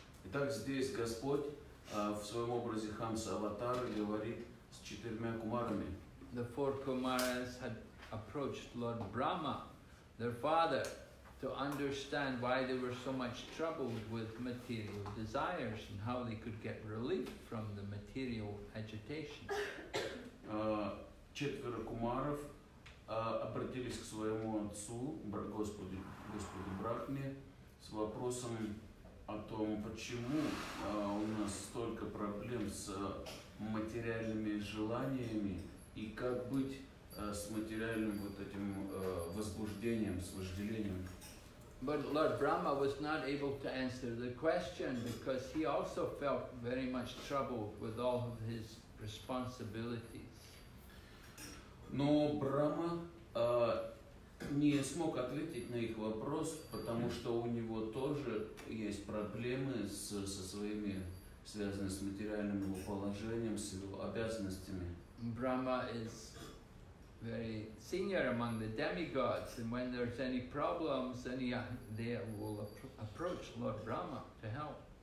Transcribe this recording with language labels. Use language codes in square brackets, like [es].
[ru] Итак, здесь Господь в своем образе Хамса Аватар говорит с четырьмя кумарами. [en] The four Kumaras had approached Lord Brahma, their father, to understand why they were so much troubled with material desires and how they could get relief from the material agitation. [ru] Четверо кумаров обратились к своему отцу, Господу Брахме, с вопросом о том, почему у нас столько проблем с материальными желаниями и как быть с материальным вот этим возбуждением, с вожделением. [en] But Lord Brahma was not able to answer the question because he also felt very much troubled with all of his responsibilities. [ru] Но Брахма не смог ответить на их вопрос, потому что у него тоже есть проблемы со своими, связанные с материальным его положением, с его обязанностями. [en] Brahma is very senior among the demigods, and when there's any problems, they will approach Lord Brahma to help.